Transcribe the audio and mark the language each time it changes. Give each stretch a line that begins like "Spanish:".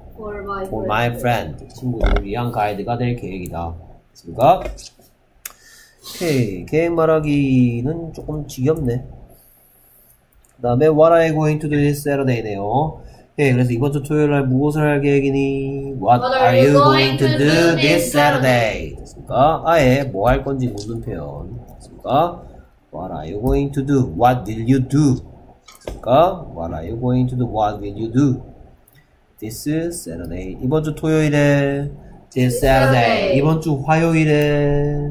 English: For my friend.
Korean: 친구들을 위한 가이드가 될 계획이다. 됐습니까? 오케이. 계획 말하기는 조금 지겹네. 그 다음에
English: What are you going to do this Saturday
Korean: 네요. 오케이. 그래서 이번 주 토요일날 무엇을 할 계획이니?
English: What are you going to do this Saturday?
Korean: 됐습니까? 아예 뭐 할 건지 묻는 표현. 됐습니까?
English: What are you going to do? What will you do? 됐습니까? What are you going to do? What will you do? This Saturday.
Korean: 이번 주 토요일에
English: This Saturday.
Korean: 이번 주 화요일에